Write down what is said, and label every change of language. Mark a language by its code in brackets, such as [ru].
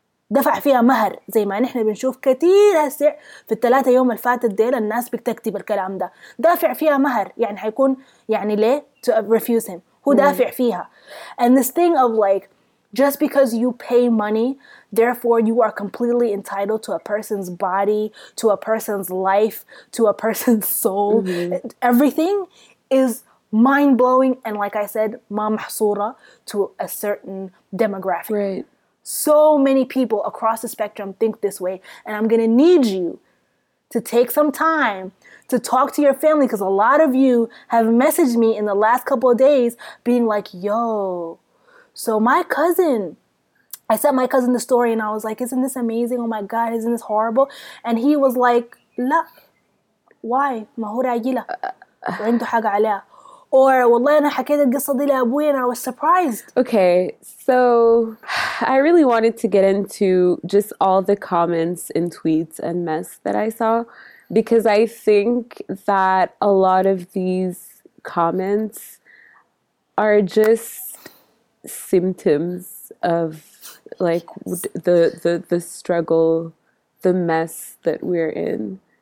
[ar] دفع فيها مهر زي ما نحن بنشوف كتير هسع في الثلاثة يوم الفاتت ديل الناس بتكتب الكلام ده دافع فيها مهر يعني هيكون يعني ليه [en] to refuse him [ar] هو دافع فيها [en] and this thing of like just because you pay money therefore you are completely entitled to a person's body to a person's life to a person's soul everything is mind-blowing and like I said [ar] ما محصورة [en] to a certain demographic right So many people across the spectrum think this way. And I'm going to need you to take some time to talk to your family because a lot of you have messaged me in the last couple of days being like, yo, so my cousin, I sent my cousin the story and I was like, isn't this amazing? Oh my God, isn't this horrible? And he was like, la, [ar] why ما هو راجي له وعنده حاجة عليها or والله أنا حكيت القصة دي لأبوي [en] and I was surprised. Okay, so I really wanted to get into just all the comments and tweets and mess that I saw because I think that a lot of these comments are just symptoms of like the struggle, the mess that we're in.